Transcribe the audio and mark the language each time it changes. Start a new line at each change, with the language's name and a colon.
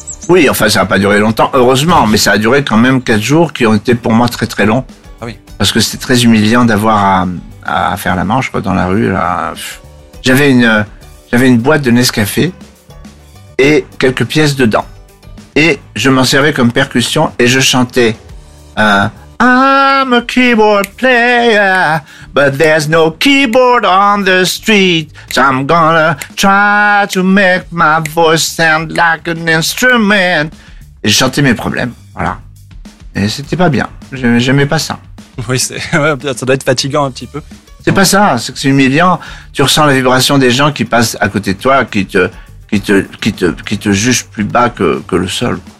French: Oui, enfin ça n'a pas duré longtemps, heureusement, mais ça a duré quand même 4 jours qui ont été pour moi très très longs. Ah oui. Parce que c'était très humiliant d'avoir à faire la manche quoi, dans la rue. Là. J'avais une boîte de Nescafé et quelques pièces dedans. Et je m'en servais comme percussion et je chantais
English: I'm a keyboard player, but there's no keyboard on the street. So I'm gonna try to make my voice sound like an instrument.
French: Et je chantais mes problèmes, voilà. Et c'était pas bien, j'aimais pas ça. Oui, ça doit être fatigant un petit peu. C'est pas ça, c'est que c'est humiliant. Tu ressens la vibration des gens qui passent à côté de toi, qui te jugent plus bas que le sol.